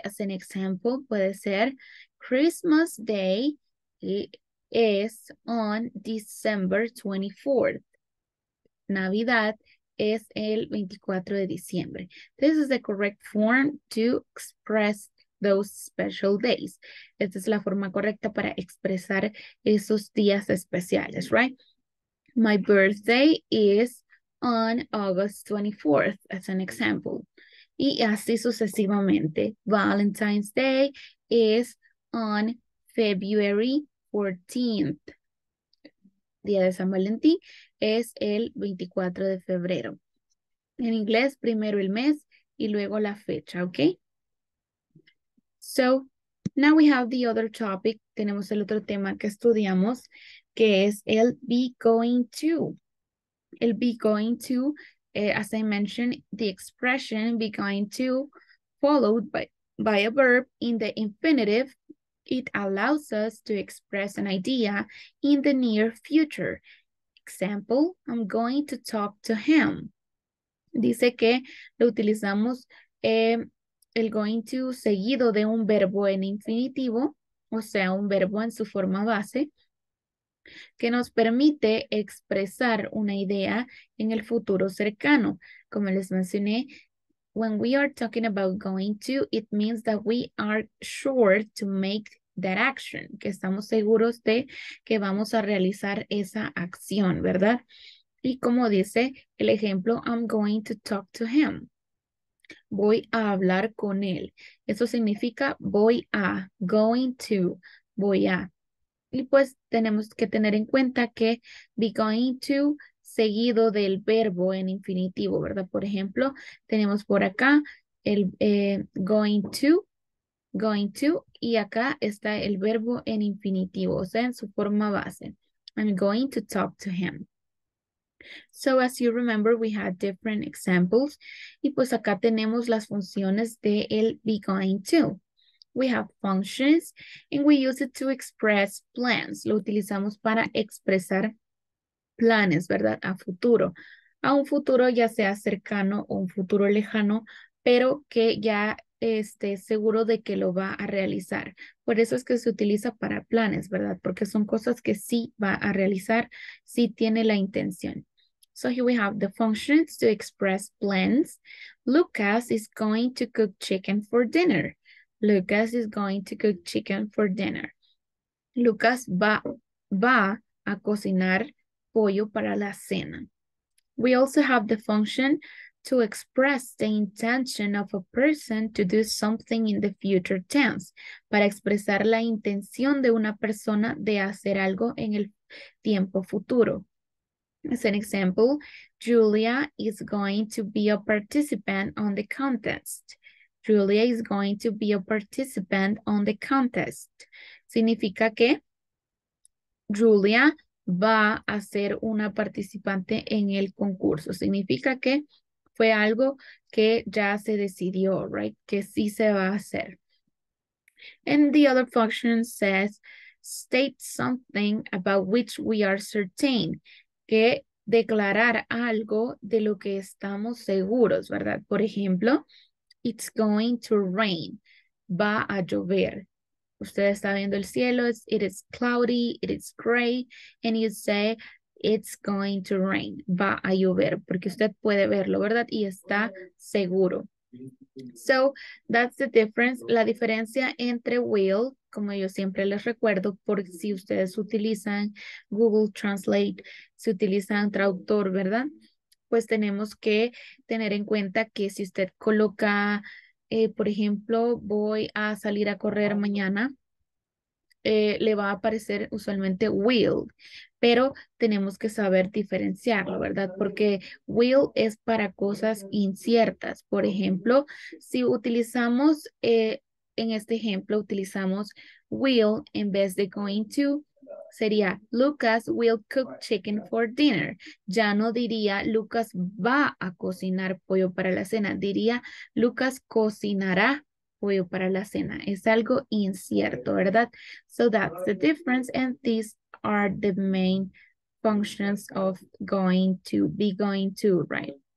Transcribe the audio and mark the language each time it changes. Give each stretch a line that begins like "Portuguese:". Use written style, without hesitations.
English: As an example,
Spanish: puede ser
English: Christmas Day is on December 24th.
Spanish: Navidad es el 24 de diciembre.
English: This is the correct form to express those special days.
Spanish: Esta es la forma correcta para expresar esos días especiales, right?
English: My birthday is on August 24th, as an example.
Spanish: Y así sucesivamente.
English: Valentine's Day is on February 14th.
Spanish: Día de San Valentín es el 24 de febrero. En inglés, primero el mes y luego la fecha, ¿ok?
English: So, now we have the other topic.
Spanish: Tenemos el otro tema que estudiamos, que es el be going to.
English: El be going to, as I mentioned, the expression be going to, followed by a verb in the infinitive, it allows us to express an idea in the near future. Example, I'm going to talk to him.
Spanish: Dice que lo utilizamos el going to seguido de un verbo en infinitivo, o sea, un verbo en su forma base, que nos permite expresar una idea en el futuro cercano. Como les mencioné,
English: when we are talking about going to, it means that we are sure to make that action,
Spanish: que estamos seguros de que vamos a realizar esa acción, ¿verdad? Y como dice el ejemplo,
English: I'm going to talk to him.
Spanish: Voy a hablar con él. Eso significa voy a, going to, voy a. Y pues tenemos que tener en cuenta que be going to seguido del verbo en infinitivo, ¿verdad? Por ejemplo, tenemos por acá el going to, going to, y acá está el verbo en infinitivo, o sea, en su forma base.
English: I'm going to talk to him. So, as you remember, we had different examples.
Spanish: Y pues acá tenemos las funciones de el be going to.
English: We have functions and we use it to express plans.
Spanish: Lo utilizamos para expresar planes, ¿verdad? A futuro. A un futuro ya sea cercano o un futuro lejano, pero que ya esté seguro de que lo va a realizar. Por eso es que se utiliza para planes, ¿verdad? Porque son cosas que sí va a realizar, sí tiene la intención.
English: So here we have the functions to express plans. Lucas is going to cook chicken for dinner. Lucas is going to cook chicken for dinner.
Spanish: Lucas va a cocinar pollo para la cena.
English: We also have the function to express the intention of a person to do something in the future tense,
Spanish: para expresar la intención de una persona de hacer algo en el tiempo futuro.
English: As an example, Julia is going to be a participant on the contest. Julia is going to be a participant on the contest.
Spanish: Significa que Julia va a ser una participante en el concurso. Significa que fue algo que ya se decidió, right? Que sí se va a hacer.
English: And the other function says, state something about which we are certain.
Spanish: Que declarar algo de lo que estamos seguros, ¿verdad? Por ejemplo,
English: it's going to rain.
Spanish: Va a llover. Usted está viendo el cielo,
English: it is cloudy, it is gray, and you say, it's going to rain.
Spanish: Va a llover, porque usted puede verlo, ¿verdad? Y está seguro.
English: So, that's the difference.
Spanish: La diferencia entre will, como yo siempre les recuerdo, por si ustedes utilizan Google Translate, si utilizan traductor, ¿verdad? Pues tenemos que tener en cuenta que si usted coloca, por ejemplo, voy a salir a correr mañana, le va a aparecer usualmente will, pero tenemos que saber diferenciarlo, ¿verdad? Porque will es para cosas inciertas. Por ejemplo, si utilizamos, en este ejemplo, utilizamos will en vez de going to, sería
English: Lucas will cook chicken for dinner.
Spanish: Ya no diría Lucas va a cocinar pollo para la cena, diría Lucas cocinará pollo para la cena. Es algo incierto, ¿verdad?
English: So that's the difference, and these are the main functions of going to, be going to, right?